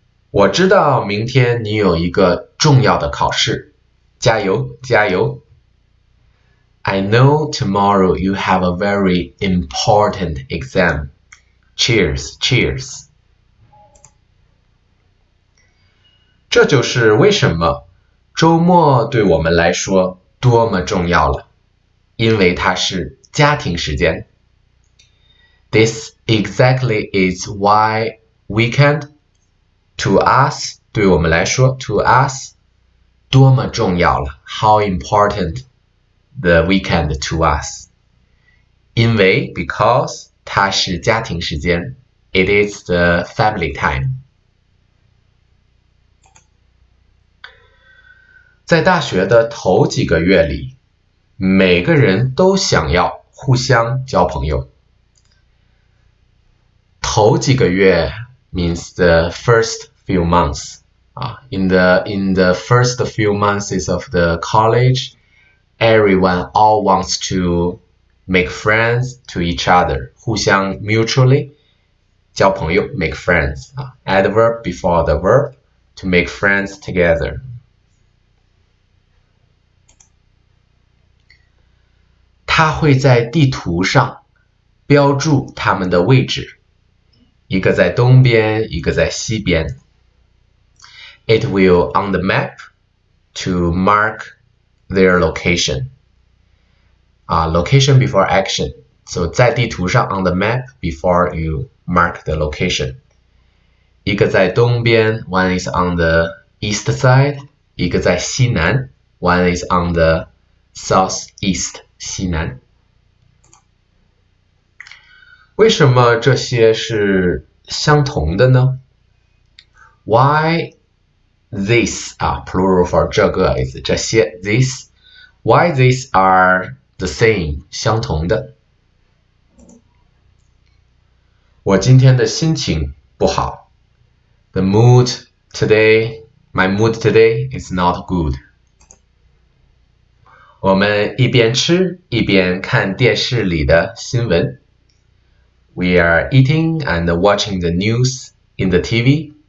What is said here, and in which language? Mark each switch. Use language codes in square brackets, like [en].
[zh] 我知道明天你有一个重要的考试。加油，加油。 [en] I know tomorrow you have a very important exam. Cheers, cheers. [zh] 这就是为什么周末对我们来说多么重要了，因为它是家庭时间。 [en] This exactly is why weekend to us, [zh] 对我们来说 [en] to us, [zh] 多么重要了， [en] how important The weekend to us，因为 because [zh] 它是家庭时间， [en] it is the family time。 [zh] 在大学的头几个月里，每个人都想要互相交朋友。头几个月 [en] means the first few months 啊，in the first few months of the college。 Everyone all wants to make friends to each other, 互相 mutually [zh] 交朋友 [en] make friends 啊 adverb before the verb to make friends together。 [zh] 他会在地图上标注他们的位置，一个在东边，一个在西边。 [en] It will on the map to mark their location. Location before action. So [zh] 在地图上 [en] on the map before you mark the location. [zh] 一个在东边， [en] one is on the east side. [zh] 一个在西南， [en] one is on the southeast 西南。 [zh] 为什么这些是相同的呢？Why？ [en] This 啊，plural for 这个 is 这些 this。 Why these are the same 相同的？ [zh] 我今天的心情不好。 [en] My mood today is not good。 [zh] 我们一边吃一边看电视里的新闻。 [en] We are eating and watching the news in the TV。